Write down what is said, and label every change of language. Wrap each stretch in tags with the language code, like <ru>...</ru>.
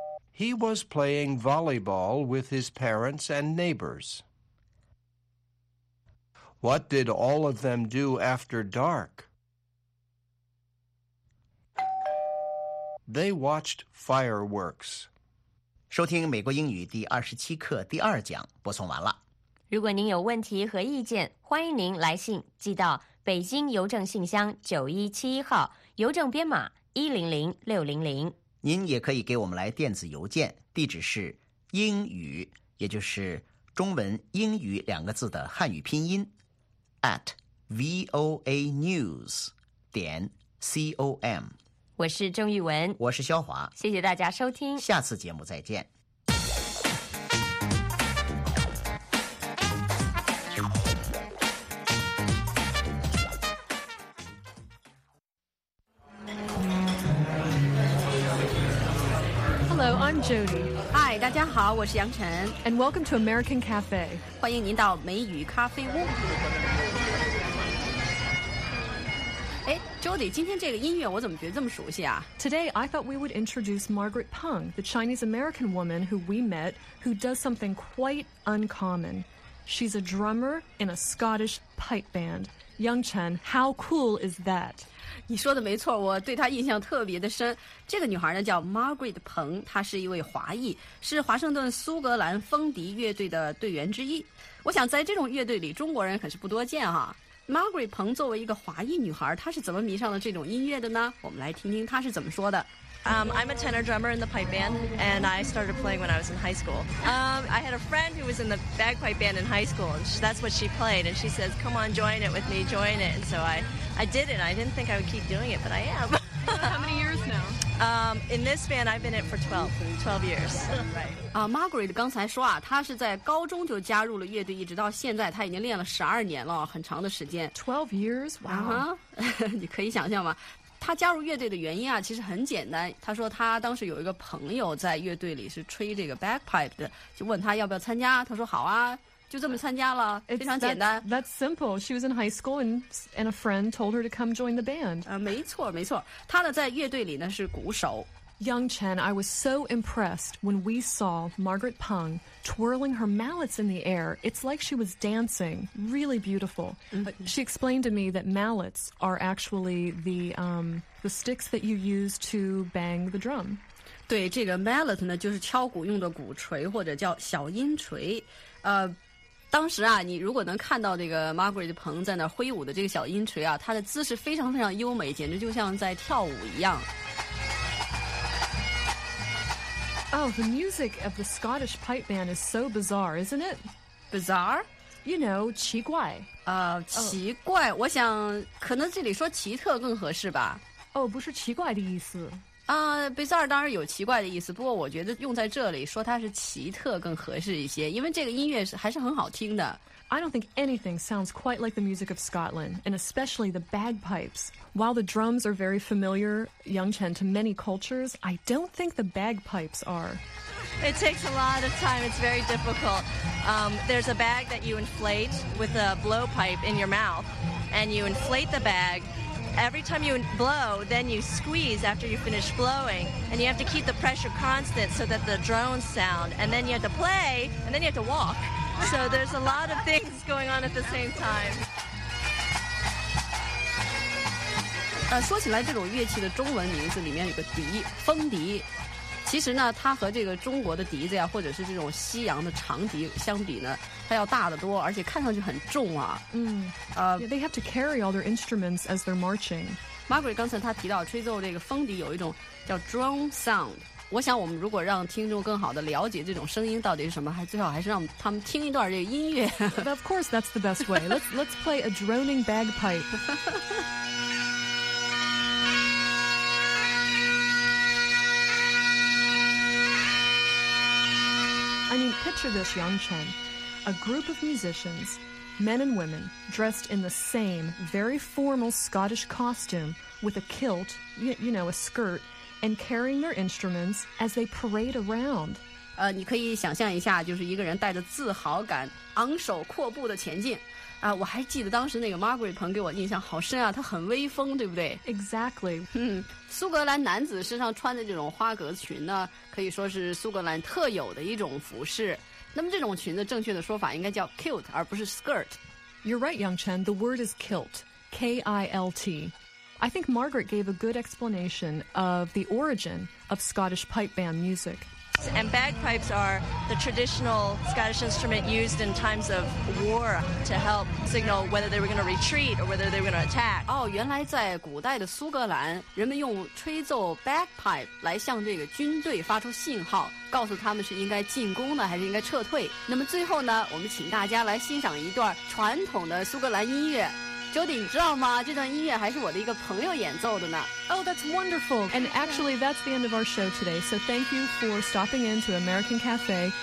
<en>He was playing volleyball with his parents and neighbors. What did all of them do after dark? They watched fireworks.</en> <zh>收听美国英语第二十七课第二讲播送完了。如果您有问题和意见，欢迎您来信寄到北京邮政信箱9171号，邮政编码100600。您也可以给我们来电子邮件，地址是英语，也就是中文英语两个字的汉语拼音 @voanews.com。我是郑玉文，我是肖华，谢谢大家收听，下次节目再见。</zh> <en>Jody.</en> <zh>Hi, 大家好，我是杨晨。</zh> <en>And welcome to American Cafe.</en> <zh>欢迎您到美语咖啡屋。哎，周底今天这个音乐我怎么觉得这么熟悉啊</zh> <en>Today I thought we would introduce Margaret Peng, the Chinese American woman who we met, who does something quite uncommon. She's a drummer in a Scottish pipe band. Yang Chen, how cool is that?</en> <zh>你说的没错，我对她印象特别的深。这个女孩呢叫 Margaret Peng, 她是一位华裔，是华盛顿苏格兰风笛乐队的队员之一。我想在这种乐队里，中国人可是不多见哈。Margaret Peng 作为一个华裔女孩，她是怎么迷上了这种音乐的呢？我们来听听她是怎么说的。</zh> <en>I'm a tenor drummer in the pipe band, and I started playing when I was in high school. I had a friend who was in the bagpipe band in high school, and that's what she played. And she says, come on, join it with me, join it. And so I did it. I didn't think I would keep doing it, but I am. How many years now? In this band, I've been in for 12 years. Right.</en> <zh>Margaret 刚才说啊，她是在高中就加入了乐队，一直到现在，她已经练了12年了，很长的时间。</zh> <en>12 years? Wow.</en> <zh>Uh-huh. 你可以想象吗？他加入乐队的原因啊，其实很简单。他说他当时有一个朋友在乐队里是吹这个 bagpipe 的，就问他要不要参加。他说好啊，就这么参加了，</zh> <en>It's、</en> <zh>非常简单。</zh> <en>That's simple. She was in high school and a friend told her to come join the band.</en> <zh>没错没错，他呢在乐队里呢是鼓手。</zh> <en>Yang Chen, I was so impressed when we saw Margaret Peng twirling her mallets in the air. It's like she was dancing. Really beautiful. Mm-hmm. She explained to me that mallets are actually the sticks that you use to bang the drum.</en> <zh>对，这个 mallet 呢，就是敲鼓用的鼓槌，或者叫小音锤。当时啊，你如果能看到这个 Margaret Peng 在那挥舞的这个小音锤啊，她的姿势非常非常优美，简直就像在跳舞一样。</zh> <en>Oh, the music of the Scottish pipe band is so bizarre, isn't it? Bizarre? You know, 奇怪。</en> <zh>奇怪，我想可能这里说奇特更合适吧。哦，不是奇怪的意思。 Bizarre 当然有奇怪的意思，不过我觉得用在这里说它是奇特更合适一些，因为这个音乐还是很好听的。</zh> <en>I don't think anything sounds quite like the music of Scotland, and especially the bagpipes. While the drums are very familiar, Yang Chen, to many cultures, I don't think the bagpipes are. It takes a lot of time. It's very difficult. There's a bag that you inflate with a blowpipe in your mouth, and you inflate the bag. Every time you blow, then you squeeze after you finish blowing, and you have to keep the pressure constant so that the drones sound, and then you have to play, and then you have to walk. So there's a lot of things going on at the same time.</en> <zh>说起来这种乐器的中文名字里面有个笛，风笛。其实呢，它和这个中国的笛子呀，或者是这种西洋的长笛相比呢，它要大得多，而且看上去很重啊。嗯。</zh> <en>They have to carry all their instruments as they're marching.</en> <zh>Margaret 刚才她提到吹奏这个风笛有一种叫 drone sound。我想我们如果让听众更好地了解这种声音到底是什么，还最好还是让他们听一段这个音乐。</zh> <en>But of course, that's the best way. Let's play a droning bagpipe. I mean, picture this, Yang Chen. A group of musicians, men and women, dressed in the same very formal Scottish costume with a kilt, you know, a skirt,and carrying their instruments as they parade around.</en> <zh>你可以想象一下，就是一个人带着自豪感昂首阔步的前进。我还记得当时那个 Margaret Peng 给我印象好深啊，她很威风，对不对？</zh> <en>Exactly.</en> <zh>苏格兰男子身上穿的这种花格裙呢，可以说是苏格兰特有的一种服饰。那么这种裙子正确的说法应该叫 kilt 而不是 skirt。</zh> <en>You're right, Yang Chen. The word is kilt. K-I-L-T. I think Margaret gave a good explanation of the origin of Scottish pipe band music. And bagpipes are the traditional Scottish instrument used in times of war to help signal whether they were going to retreat or whether they were going to attack.</en> <zh>原来在古代的苏格兰，人们用吹奏 bagpipe 来向这个军队发出信号，告诉他们是应该进攻呢，还是应该撤退。那么最后呢，我们请大家来欣赏一段传统的苏格兰音乐。 Jody, 你知道吗？这段音乐还是我的一个朋友演奏的呢。</zh> <en>Oh, that's wonderful. And actually, that's the end of our show today. So thank you for stopping in to American Cafe.</en>